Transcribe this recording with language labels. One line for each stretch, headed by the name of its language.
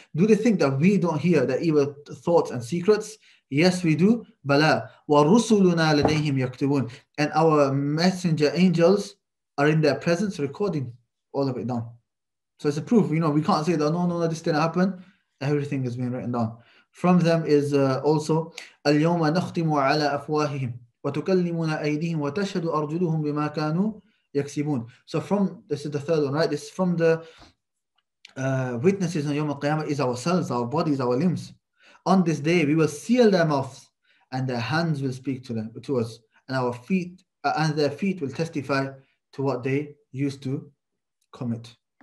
English: Do they think that we don't hear the evil thoughts and secrets? Yes, we do.
Arabic: بَلَا وَرُسُلُنَا لَدَيْهِمْ يَكْتُبُونَ.
English: And our messenger angels are in their presence recording all of it down. So it's a proof, you know, we can't say that no, this didn't happen. Everything is being written down. From them is also
Arabic: الْيَوْمَ نَخْتِمُ عَلَى أَفْوَاهِهِمْ وَتُكَلِّمُنَا أَيْدِيهِمْ وَتَشْهَدُ أَرْجُلُهُمْ بِمَا كَانُوا يَكْسِبُونَ.
English: So from, this is the third one, right? This from the witnesses on Yawm al-Qiyamah is ourselves, our bodies, our limbs. On this day, we will seal their mouths and their hands will speak to them, to us, and our feet, and their feet will testify to what they used to commit.